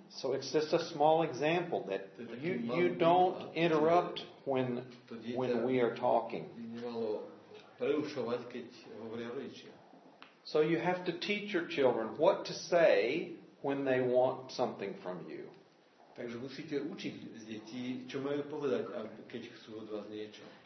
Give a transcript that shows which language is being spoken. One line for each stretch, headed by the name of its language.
English: So it's just a small example that you don't interrupt when we are talking.
Slovak: To dieťa by nemalo preušovať, keď hovoria rodičia.
English: So you have to teach your children what to say when they want something from you.
Slovak: Takže musíte učiť deti, čo majú povedať, keď chcú od vás niečo.